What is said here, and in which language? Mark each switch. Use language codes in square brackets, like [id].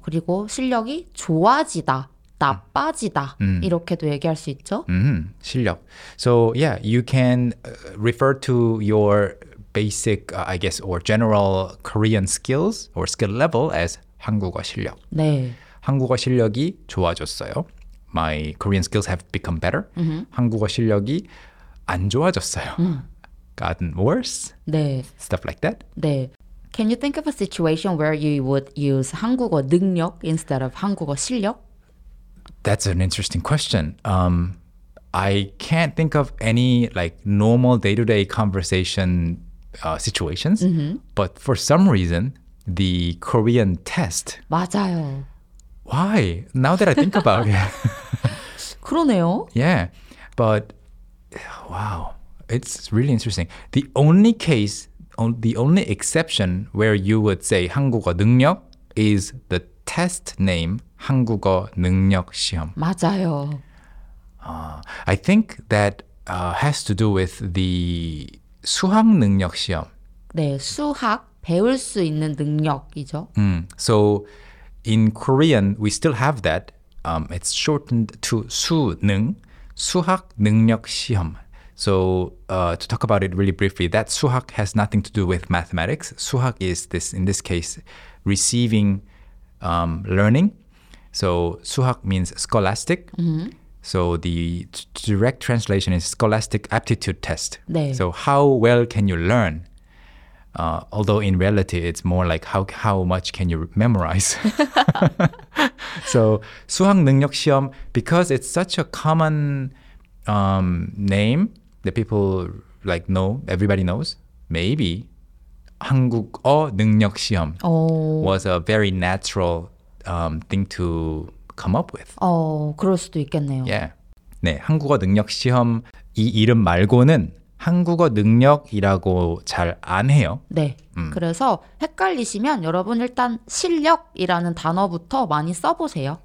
[ko] 그리고 실력이 좋아지다, 나빠지다. 이렇게도 얘기할 수 있죠. 실력. [en] So yeah, you can refer to your basic, I guess, or general Korean skills or skill level as [ko] 한국어 실력. 네. 한국어 실력이 좋아졌어요. [en] My Korean skills have become better. [ko] 한국어 실력이 안 좋아졌어요. [en] Gotten worse. [ko] 네. [en] Stuff like that. [ko] 네. [en] Can you think of a situation where you would use [ko] 한국어 능력 [en] instead of [ko] 한국어 실력? [en] That's an interesting question. I can't think of any like normal day-to-day conversation situations. Mm-hmm. But for some reason, the Korean test. [ko] 맞아요. [en] Why? Now that I think about it. [ko] 그러네요. [en] Yeah. But wow. It's really interesting. The only case, the only exception where you would say [ko] 한국어 능력 [en] is the test name [ko] 한국어 능력 시험. 맞아요. [en] I think that has to do with the [ko] 수학 능력 시험. 네, 수학 배울 수 있는 능력이죠. [en] So in Korean, we still have that. It's shortened to 수능, [ko] 수학 능력 시험. [en] So to talk about it really briefly, that 수학 has nothing to do with mathematics. 수학 is this, in this case, receiving learning. So 수학 means scholastic. Mm-hmm. So the direct translation is scholastic aptitude test. 네. So how well can you learn? Although in reality, it's more like how much can you memorize? So [ko] 수학 능력 시험, [en] because it's such a common name, that people like know, everybody knows, maybe [ko] 한국어 능력 시험 [en] was a very natural thing to come up with. [ko] 그럴 수도 있겠네요. [en] Yeah. [ko] 네, 한국어 능력 시험 이 이름 말고는 한국어 능력이라고 잘 안 해요. 네. 그래서 헷갈리시면 여러분 일단 실력이라는 단어부터 많이 써보세요.